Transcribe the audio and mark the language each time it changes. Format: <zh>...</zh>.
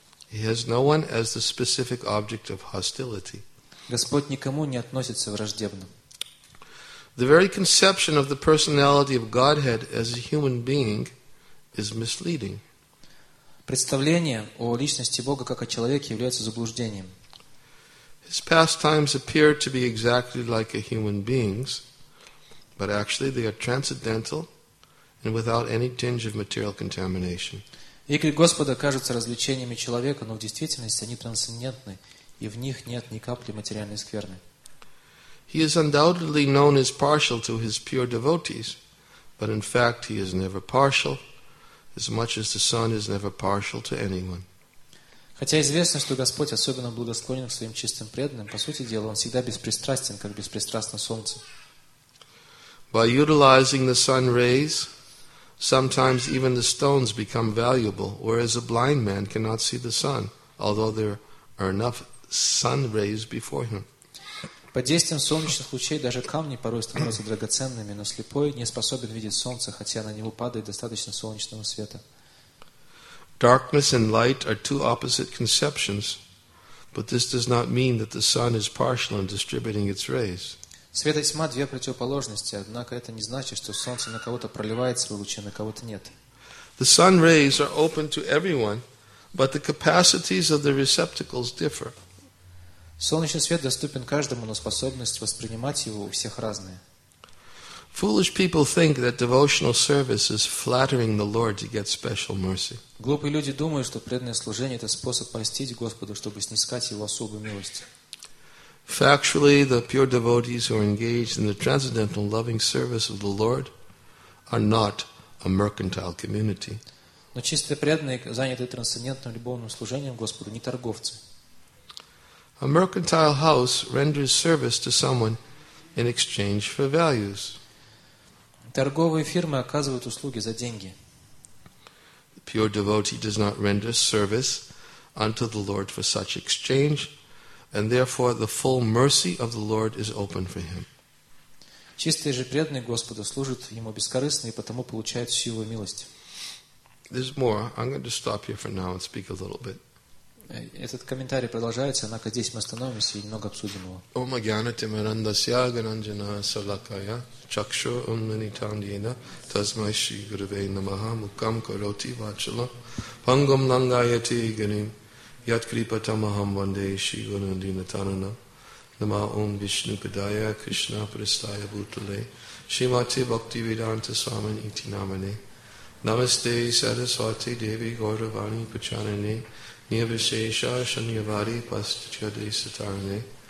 <en>He has no one as the specific object of hostility.</en> <ru>Господь никому не относится враждебно.</ru> <en>The very conception of the personality of Godhead as a human being is misleading.</en> <ru>Представление о личности Бога как о человеке является заблуждением.</ru> <en>His pastimes appear to be exactly like a human being's, but actually they are transcendental and without any tinge of material contamination.</en> <ru>Игры Господа кажутся развлечениями человека, но в действительности они трансцендентны, и в них нет ни капли материальной скверны.</ru> <en>He is undoubtedly known as partial to his pure devotees, but in fact he is never partial, as much as the sun is never partial to anyone.</en> <ru>Хотя известно, что Господь особенно благосклонен к своим чистым преданным, по сути дела он всегда беспристрастен, как беспристрастно солнце.</ru> <en>By utilizing the sun rays, sometimes even the stones become valuable, whereas a blind man cannot see the sun, although there are enough sun rays before him.</en> <ru>Под действием солнечных лучей даже камни порой становятся драгоценными, но слепой не способен видеть солнце, хотя на него падает достаточно солнечного света.</ru> <en>Darkness and light are two opposite conceptions, but this does not mean that the sun is partial in distributing its rays.</en> <ru>Свет и тьма – две противоположности, однако это не значит, что солнце на кого-то проливает свои лучи, на кого-то нет.</ru> <en>The sun rays are open to everyone, but the capacities of the receptacles differ.</en> <ru>Солнечный свет доступен каждому, но способность воспринимать его у всех разная.</ru> <en>Foolish people think that devotional service is flattering the Lord to get special mercy.</en> <ru>Глупые люди думают, что преданное служение – это способ польстить Господу, чтобы снискать Его особую милость.</ru> <en>Factually, the pure devotees who are engaged in the transcendental loving service of the Lord are not a mercantile community.</en> <ru>Но чистые преданные, занятые трансцендентным любовным служением Господу, не торговцы.</ru> <en>A mercantile house renders service to someone in exchange for values.</en> <ru>Торговые фирмы оказывают услуги за деньги.</ru> <en>The pure devotee does not render service unto the Lord for such exchange. And therefore, the full mercy of the Lord is open for him.</en> <ru>Чистые же преданные Господу служат ему бескорыстно и потому получают всю его милость.</ru> <en>There's more. I'm going to stop here for now and speak a little bit.</en> <ru>Этот комментарий продолжается, однако здесь мы остановимся и немного обсудим его.</ru> <sa>Ом агьянате марандасья гананджана салакая чакшу унманитандина тасмай шри гурвей намаха мукам кароти вачала пангам нангаяти ганим Yat Kripa Tamaham Vande Shri Gunandina Tanana Nama Om Vishnu Padaya Krishna Pristaya Bhutale Srimati Bhakti Vedanta Swamin Iti Namane Namaste Saraswati Devi Gauravani Pachanane Nirvishesha Shanyavari Pastichade Satarane</sa>